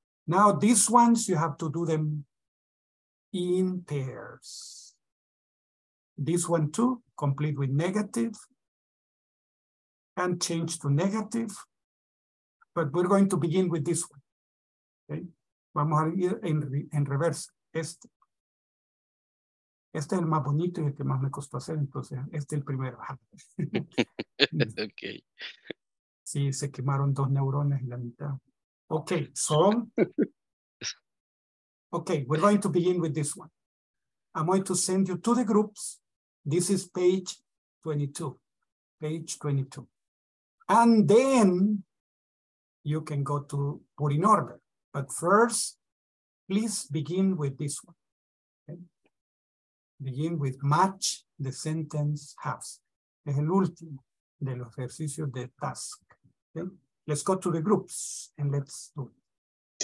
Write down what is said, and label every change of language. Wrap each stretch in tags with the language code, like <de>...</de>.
<en>Now these ones you have to do them in pairs. This one too, complete with negative. And change to negative, but we're going to begin with this one.</en> <es>Okay, vamos a ir en</es> <en>reverse.</en> <es>Este es el más bonito y el que más me costó hacer. Entonces, este es el primero.</es> <en>Okay.</en> <es>Sí, se quemaron dos neuronas en la mitad.</es> <en>Okay, so Okay, we're going to begin with this one. I'm going to send you to the groups. This is page 22. Page 22. And then you can go to put in order. But first, please begin with this one. Okay? Begin with match the sentence halves.</en> <es>Es el último de los ejercicios de task.</es> <en>Okay? Let's go to the groups and let's do it.</en>